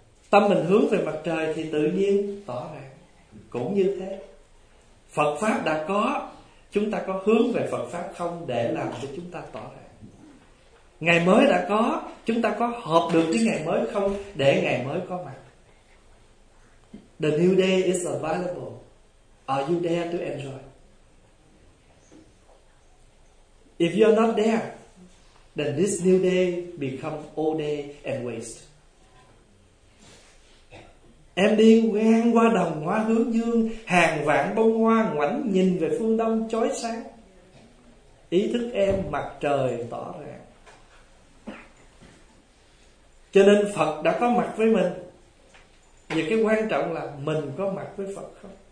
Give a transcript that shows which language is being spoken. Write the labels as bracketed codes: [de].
[vi] Tâm mình hướng về mặt trời thì tự nhiên tỏ ràng. Cũng như thế, Phật Pháp đã có, chúng ta có hướng về Phật Pháp không để làm cho chúng ta tỏ ràng? Ngày mới đã có, chúng ta có hợp được với ngày mới không để ngày mới có mặt? [en] The new day is available. Are you there to enjoy? If you're not there, then this new day becomes old day and waste. [vi] Em đi ngang qua đồng hoa hướng dương, hàng vạn bông hoa ngoảnh nhìn về phương đông chói sáng. Ý thức em mặt trời tỏ ràng. Cho nên Phật đã có mặt với mình. Và cái quan trọng là mình có mặt với Phật không?